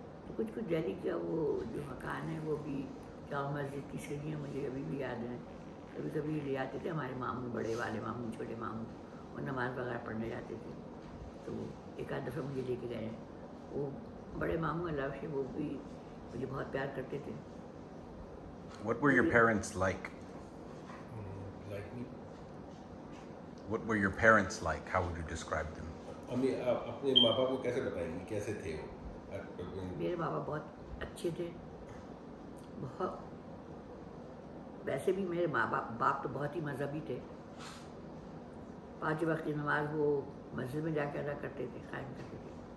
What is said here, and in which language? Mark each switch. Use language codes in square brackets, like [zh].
[hi] तो कुछ कुछ दिल्ली का वो जो मकान है वो भी, जामा मस्जिद की सीढ़ियाँ मुझे अभी भी याद हैं। कभी कभी ले आते थे हमारे मामू, बड़े वाले मामू, छोटे मामू, वो नमाज़ वगैरह पढ़ने जाते थे, तो एक आध दफ़ा मुझे लेके गए, वो बड़े मामू अलाव से वो भी मुझे बहुत प्यार करते थे. [en] What were your parents like? Like me? What were your parents like? How would you describe them? [hi] अपने माँ बाप को कैसे बताएंगे कैसे थे वो? मेरे माँ बाप बहुत अच्छे थे. बहुत वैसे भी मेरे माँ बाप तो बहुत ही मजहबी थे. पांच वक्त की नमाज वो मस्जिद में जाकर अदा करते थे, कायम करते थे.